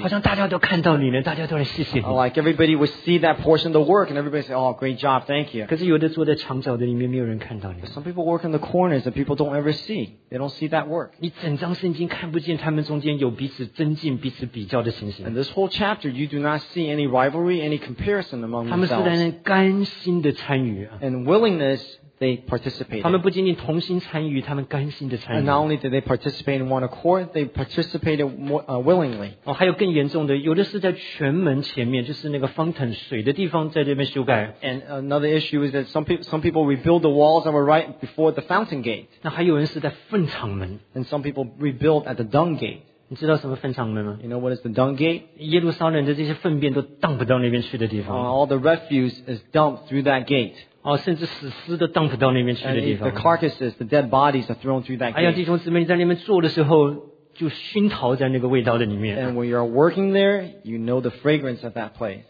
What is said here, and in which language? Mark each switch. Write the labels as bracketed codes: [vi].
[zh] 好像大家都看到你呢，大家都来谢谢你。 [en] Like everybody would see that portion of the work, and everybody say, "Oh, great job, thank you." [zh] 可是有的坐在墙角的里面，没有人看到你。 [en] But some people work in the corners that people don't ever see. They don't see that work. [zh] 你整张圣经看不见他们中间有彼此增进、彼此比较的情形。 [en] And this whole chapter, you do not see any rivalry, any comparison among themselves. [zh] 他们是在那甘心的参与。 [en] And willingness. They participated. [zh] 他们不仅仅同心参与，他们甘心的参与。 [en] And not only did they participate in one accord, they participated more, willingly. [zh] 哦，还有更严重的，有的是在泉门前面，就是那个 fountain 水的地方，在这边修改。 [en] And another issue is that some people rebuild the walls that were right before the fountain gate. [zh] 那还有人是在粪场门。 [en] And some people rebuild at the dung gate. [zh] 你知道什么粪场门吗 [en] ？You know what is the dung gate? [zh] 耶路撒冷的这些粪便都荡不到那边去的地方。 [en] All the refuse is dumped through that gate. [zh] 哦，甚至死尸都荡不到那边去的地方。 [en] And the carcasses, the dead bodies are thrown through that gate. [zh] 哎呀，弟兄姊妹，你在那边坐的时候，就熏陶在那个味道的里面。 [en] And when you are working there, you know the fragrance of that place.